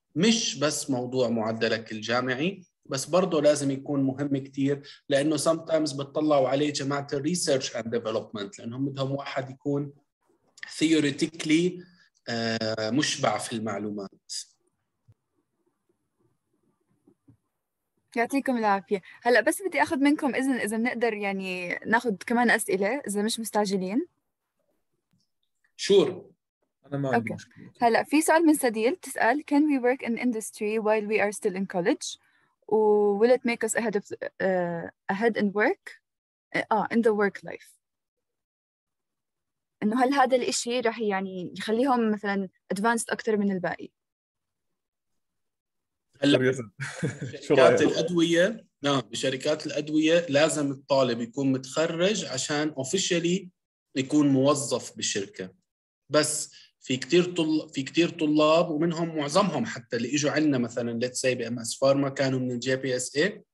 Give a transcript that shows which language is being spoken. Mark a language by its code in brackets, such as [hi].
[ar] مش بس موضوع معدلك الجامعي، بس برضه لازم يكون مهم كتير، لانه sometimes بتطلعوا عليه جماعه [en] الريسيرش and development, [ar] لانهم بدهم واحد يكون theoretically مشبع في المعلومات. يعطيكم العافيه. هلا بس بدي اخذ منكم اذن، اذا بنقدر يعني ناخذ كمان اسئله اذا مش مستعجلين. [en] sure [ar] انا ما عندي مشكله. هلا في سؤال من سديل تسال: [en] can we work in industry while we are still in college, or will it make us ahead of ahead in work in the work life؟ [ar] إنه هل هذا الإشي راح يعني يخليهم مثلاً advanced أكتر من الباقي؟ شركات الأدوية، نعم، بشركات الأدوية لازم الطالب يكون متخرج عشان officially يكون موظف بالشركة. بس في كتير طلاب، ومنهم معظمهم حتى اللي إجوا عندنا مثلاً [en] let's say [ar] بMS Pharma كانوا من JPSA،